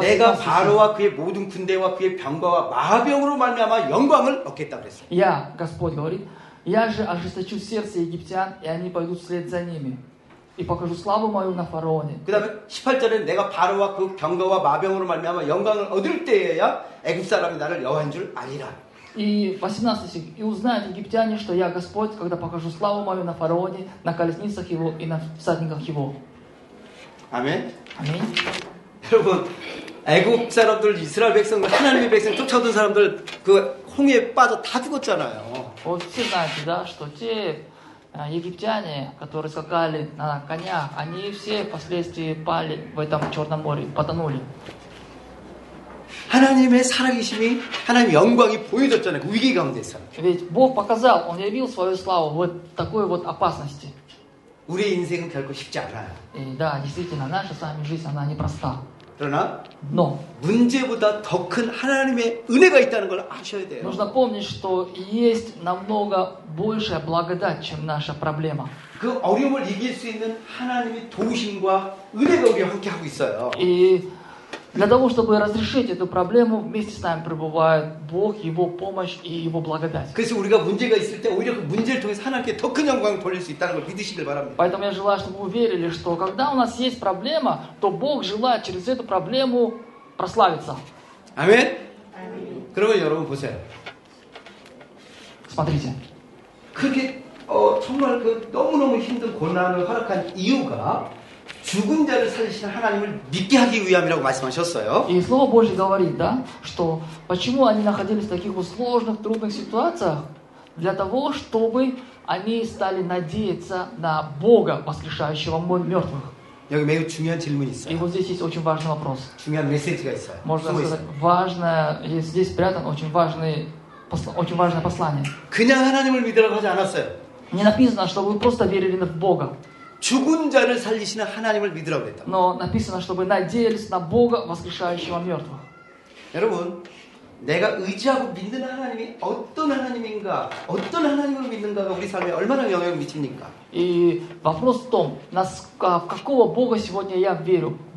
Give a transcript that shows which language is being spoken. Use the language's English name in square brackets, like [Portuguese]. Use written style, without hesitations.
[Korean] 내가 바로와 그의 모든 군대와 그의 병거와 마병으로 말미암아 영광을 얻겠다 그랬어요. [Russian] Я, Господь говорит: "Я же ожесточу сердце египтян, и они пойдут вслед за ними". И покажу славу мою на фараоне. [Korean] 그다음에 18절에 내가 바로와 그 병거와 마병으로 말미암아 영광을 얻을 때에야 애굽 사람이 나를 여호와인 줄 알리라. [Russian] И 18-стих. И узнают египтяне, что я Господь, когда покажу славу мою на фараоне, на колесницах его и на всадниках его. [Korean] 아멘. 아멘. 여러분, 애굽 사람들, 이스라엘 백성들, 하나님의 백성 쫓아온 사람들 그 홍해에 빠져 다 죽었잖아요. 어, 진짜 [Russian] что те египтяне, которые скакали на конях, они все впоследствии пали в этом Черном море, потонули. [Korean] 하나님의 살아계심이, 하나님의 영광이 보여졌잖아요. 위기 가운데서. [Russian] Ведь Бог показал, Он явил свою славу в такой вот опасности. [Korean] 우리 인생은 결코 쉽지 않아요. [Russian] 네, да, действительно, наша с вами жизнь, она непроста. [Korean] 그러나 [Russian] Но, [Korean] 문제보다 더 큰 하나님의 은혜가 있다는 걸 아셔야 돼요. [Russian] Нужно помнить, что есть намного большая благодать, чем наша проблема. [Korean] 그 어려움을 이길 수 있는 하나님의 도우심과 은혜가 우리 함께 하고 있어요. [Russian] И для того, чтобы разрешить эту проблему, вместе с нами пребывает Бог, Его помощь и Его благодать. [Korean] 그래서 우리가 문제가 있을 때 오히려 그 문제를 통해서 하나님께 더 큰 영광을 돌릴 수 있다는 걸 믿으시길 바랍니다. [Russian] Поэтому я желаю, чтобы вы верили, что когда у нас есть проблема, то Бог желает через эту проблему прославиться. [Korean] 아멘? 아멘. 그러면 여러분 보세요. [Russian] Смотрите. [Korean] 그게 정말 그 너무너무 힘든 고난을 허락한 이유가 죽은 자를 살리신 하나님을 믿게 하기 위함이라고 말씀하셨어요. [Russian] 이 слово Божье говорит, да, что почему они находились в таких сложных, трудных ситуациях? Для того, чтобы они стали надеяться на Бога, воскрешающего мёртвых. [Korean] 여기 매우 중요한 질문이 있어요. [Russian] И вот здесь есть очень важный вопрос. [Korean] 중요한 메시지가 있어요. [Russian] можно сказать, важное, здесь спрятан очень важное послание. [Korean] 그냥 하나님을 믿으라고 하지 않았어요. [Russian] Не написано, что вы просто верили в Бога. [Korean] 죽은 자를 살리시는 하나님을 믿으라고 했다. [Russian] Но написано, чтобы надеялись на Бога, воскрешающего мёртвых. [Korean] 여러분, 내가 의지하고 믿는 하나님이 어떤 하나님인가? 어떤 하나님을 믿는가가 우리 삶에 얼마나 영향을 미칩니까? [Russian] И вопрос в том, в какого Бога сегодня я верю?